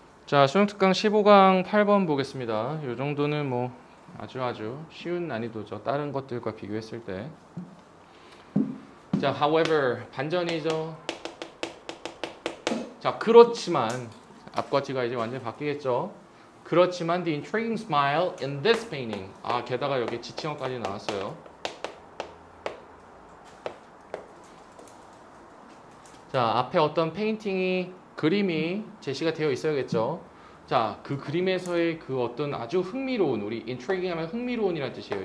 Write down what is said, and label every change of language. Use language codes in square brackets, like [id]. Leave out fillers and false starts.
[ko] 자, 수능특강 15강 8번 보겠습니다. 요 정도는 뭐 아주 아주 쉬운 난이도죠. 다른 것들과 비교했을 때. 자, however, 반전이죠. 자, 그렇지만 앞과 뒤가 이제 완전히 바뀌겠죠. 그렇지만 [en] the intriguing smile in this painting. [ko] 아, 게다가 여기 지칭어까지 나왔어요. 자, 앞에 어떤 페인팅이 그림이 제시가 되어 있어야겠죠. 자, 그 그림에서의 그 어떤 아주 흥미로운, 우리 intriguing 하면 흥미로운이라는 뜻이에요.